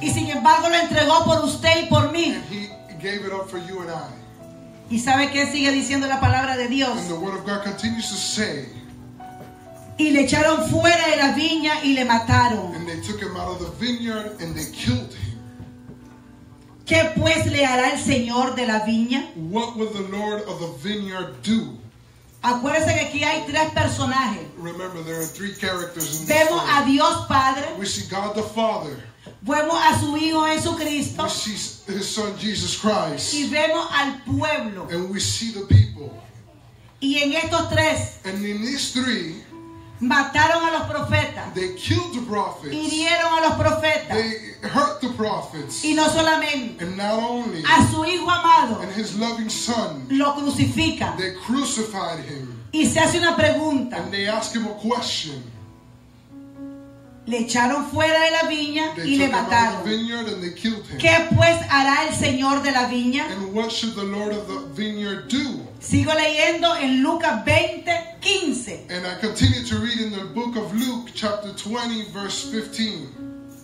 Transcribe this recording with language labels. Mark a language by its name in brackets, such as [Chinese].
[Spanish] Y sin embargo lo entregó por usted y por mí. [English] And he gave it up for you and I. [Spanish] Y sabe qué sigue diciendo la palabra de Dios. [English] And the word of God continues to say. [Spanish] Y le echaron fuera de la viña y le mataron. [English] And they took him out of the vineyard and they killed him. [Spanish] ¿Qué pues le hará el Señor de la viña? [English] What will the Lord of the vineyard do? [Spanish] Acuérdese que aquí hay tres personajes. [English] Remember, there are three characters in this story. [Spanish] Vemos a Dios Padre. [English] We see God the Father. [Spanish] Vemos a su Hijo Jesucristo. [English] We see his son Jesus Christ. [Spanish] Y vemos al pueblo. [English] And we see the people. [Spanish] Y en estos tres. [English] And in these three. [Spanish] Mataron a los profetas. [English] They killed the prophets. [Spanish] Hirieron a los profetas. [English] They hurt the prophets. [Spanish] Y no solamente. [English] And not only. [Spanish] A su hijo amado. [English] And his loving son. [Spanish] Lo crucifican. [English] They crucified him. [Spanish] Y se hace una pregunta. [English] And they ask him a question. [Spanish] Le echaron fuera de la viña [English] they [Spanish] y le mataron. [English] Took him out of the vineyard and they killed him. [Spanish] ¿Qué pues hará el Señor de la viña? [English] And what should the Lord of the vineyard do? [Spanish] Sigo leyendo en Lucas 20:15. [English] And I continue to read in the book of Luke, chapter 20, verse 15.